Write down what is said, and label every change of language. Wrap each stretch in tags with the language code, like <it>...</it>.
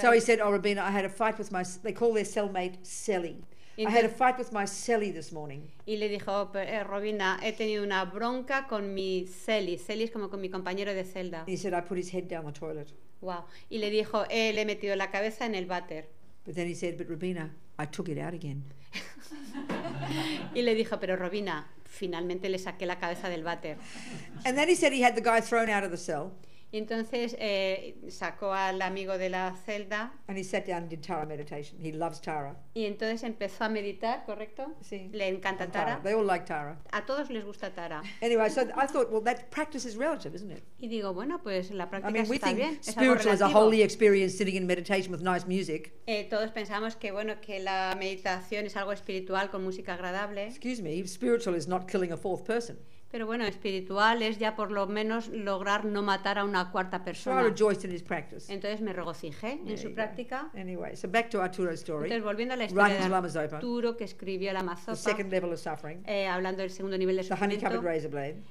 <en>tatuajes. So he said, "Oh, Rabina, I had a fight with they call their cellmate Sally. I had a fight with my cellie this morning."</en> <es>Y le dijo, Robina, he tenido una bronca con mi cellie. Cellie es como con mi compañero de celda.</es> <en>He said, "I put his head down the toilet." Wow.</en> <es>Y le dijo, le he metido la cabeza en el váter.</es> <en>But then he said, "But Robina, I took it out again."</en> <es>Y le dijo, pero Robina, finalmente le saqué la cabeza del váter.</es> <en>And then he said he had the guy thrown out of the cell.</en> <es>Y entonces sacó al amigo de la celda.</es> <en>And he sat down and did Tara meditation. He loves Tara.</en> <es>Y entonces empezó a meditar, ¿correcto? Sí. Le encanta Tara.</es> <en>They all like Tara.</en> <es>A todos les gusta Tara.</es> <en>Anyway, so I thought, well, that practice is relative, isn't it?</en> <es>Y digo, bueno, pues la práctica está bien.</es> <en>I mean, we think spiritual is a holy experience sitting in meditation with nice music.</en> <es>Todos pensamos que, bueno, que la meditación es algo espiritual con música agradable.</es> <en>Excuse me, spiritual is not killing a fourth person.</en> <es>Pero bueno, espiritual es ya por lo menos lograr no matar a una cuarta persona.</es> <en>So I rejoiced in his practice.</en> <es>Entonces me regocijé en su práctica.</es> <en>Anyway, so back to Arturo's story.</en> <es>Entonces volviendo a la historia de Arturo que escribió la Mazopa.</es> <en>The second level of suffering.</en> <es>Hablando del segundo nivel de sufrimiento.</es> <en>The honey-covered razor blade.</en>